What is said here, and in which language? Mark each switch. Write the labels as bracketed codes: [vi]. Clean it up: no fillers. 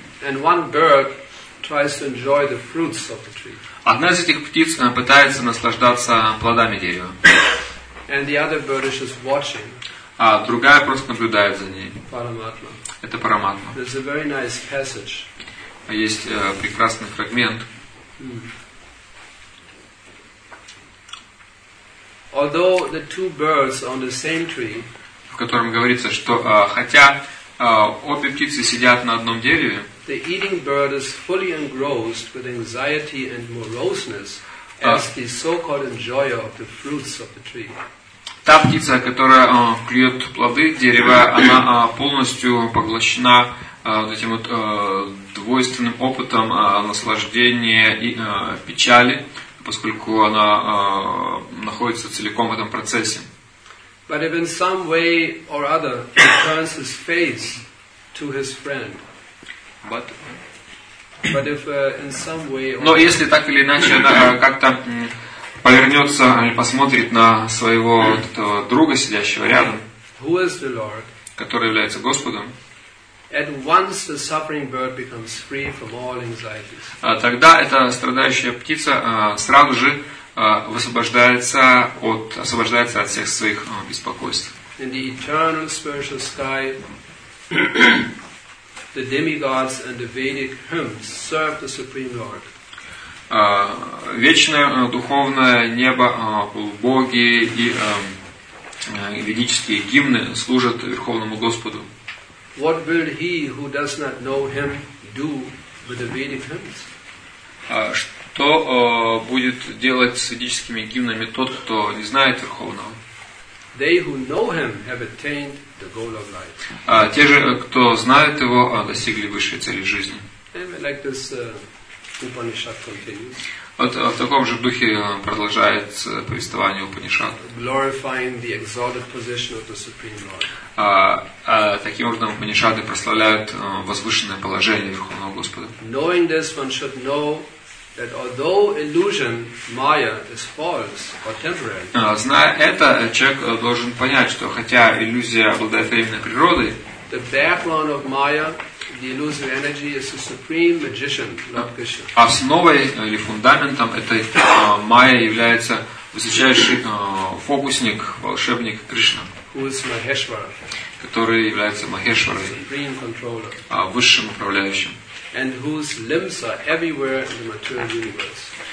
[ru] Одна из этих птиц пытается наслаждаться плодами дерева. [en] And the other bird is just watching. [ru] А другая просто наблюдает за ней. Параматма. Это параматма. [en] There's a very nice passage. [ru] Есть прекрасный фрагмент. [en] Although the two birds on the same tree, [ru] в котором говорится, что хотя обе птицы сидят на одном дереве, [en] the eating bird is fully engrossed with anxiety and moroseness as the so-called enjoyer of the fruits of the tree. [ru] Та птица, которая клюет плоды дерева, она полностью поглощена вот этим вот двойственным опытом наслаждения и печали, поскольку она находится целиком в этом процессе. [en] But if in some way or other he turns his face to his friend. But if in some way or other. [ru] Но если так или иначе она как-то повернется или посмотрит на своего вот этого друга, сидящего рядом, [en] who is the Lord, [ru] который является Господом, [en] at once the suffering bird becomes free from all anxieties. [ru] Тогда эта страдающая птица сразу же освобождается от всех своих беспокойств. [en] In the eternal spiritual sky, the demigods and the Vedic hymns serve the Supreme Lord. [ru] Вечное духовное небо, боги и ведические гимны служат Верховному Господу. [en] What will he who does not know him do with the Vedic hymns? [ru] Что будет делать с ведическими гимнами тот, кто не знает Верховного? [en] They who know him have attained the goal of life. [ru] Те же, кто знает его, достигли высшей цели жизни. [en] Like this, Upanishad continues. [ru] Вот в таком же духе продолжается повествование Упанишад. [en] Glorifying the exalted position of the Supreme Lord. [ru] Таким образом Упанишады прославляют возвышенное положение Верховного Господа. [en] Knowing this, one should know that although illusion, Maya, is false or temporary. [ru] Зная это, человек должен понять, что хотя иллюзия обладает временной природой, [en] the background of Maya, the illusory energy, is the supreme magician, Lord Krishna. [ru] Основой или фундаментом этой Майя является высочайший фокусник, волшебник Кришна, [en] who is Maheshwara, [ru] который является Махешварой, [en] supreme controller, [ru] высшим управляющим, [en] and whose limbs are everywhere in the material universe.